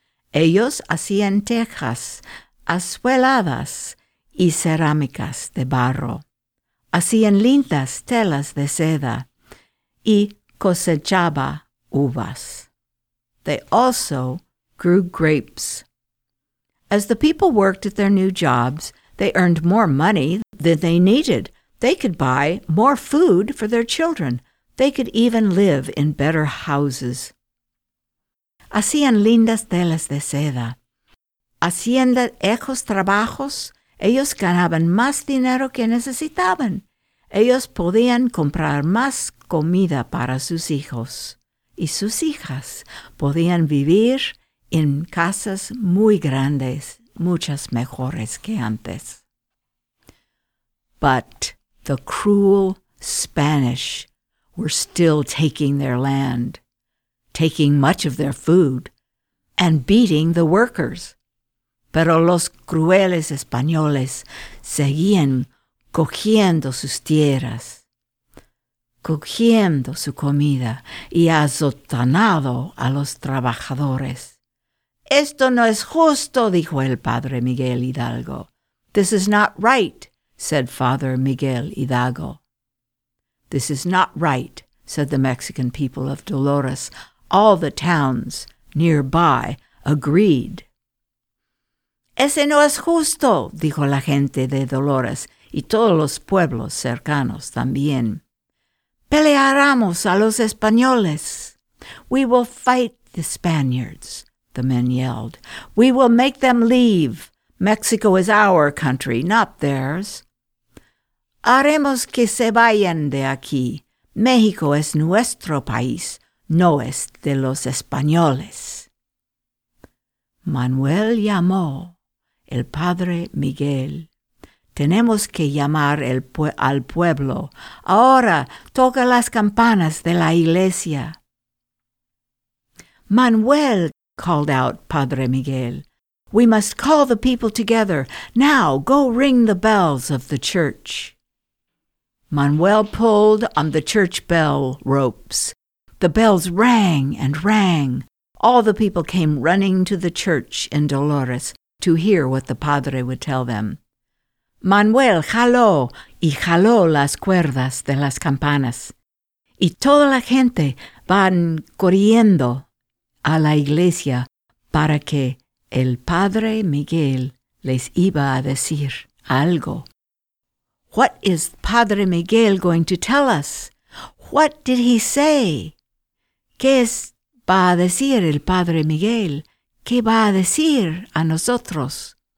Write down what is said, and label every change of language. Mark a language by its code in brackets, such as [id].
[es] Ellos hacían tejas, azueladas y cerámicas de barro. Hacían lindas telas de seda y cosechaba uvas. [en] They also grew grapes. As the people worked at their new jobs, they earned more money than they needed. They could buy more food for their children. They could even live in better houses. [es] Hacían lindas telas de seda. Haciendo esos trabajos, ellos ganaban más dinero que necesitaban. Ellos podían comprar más comida para sus hijos. Y sus hijas podían vivir en casas muy grandes, muchas mejores que antes. [en] But the cruel Spanish were still taking their land, taking much of their food, and beating the workers. [es] Pero los crueles españoles seguían cogiendo sus tierras, cogiendo su comida y azotando a los trabajadores. Esto no es justo, dijo el padre Miguel Hidalgo. [en] This is not right, said Father Miguel Hidalgo. This is not right, said the Mexican people of Dolores. All the towns nearby agreed. [es] Ese no es justo, dijo la gente de Dolores y todos los pueblos cercanos también. Pelearamos a los españoles. [en] We will fight the Spaniards, the men yelled. We will make them leave. Mexico is our country, not theirs. [es] Haremos que se vayan de aquí. México es nuestro país, no es de los españoles. Manuel llamó el padre Miguel. Tenemos que llamar al pueblo. Ahora toca las campanas de la iglesia. [en] Manuel, called out Padre Miguel. We must call the people together. Now go ring the bells of the church. Manuel pulled on the church bell ropes. The bells rang and rang. All the people came running to the church in Dolores to hear what the padre would tell them. [es] Manuel jaló y jaló las cuerdas de las campanas. Y toda la gente van corriendo a la iglesia para que el padre Miguel les iba a decir algo. [en] What is Padre Miguel going to tell us? What did he say? [es] ¿Qué va a decir el padre Miguel? ¿Qué va a decir a nosotros?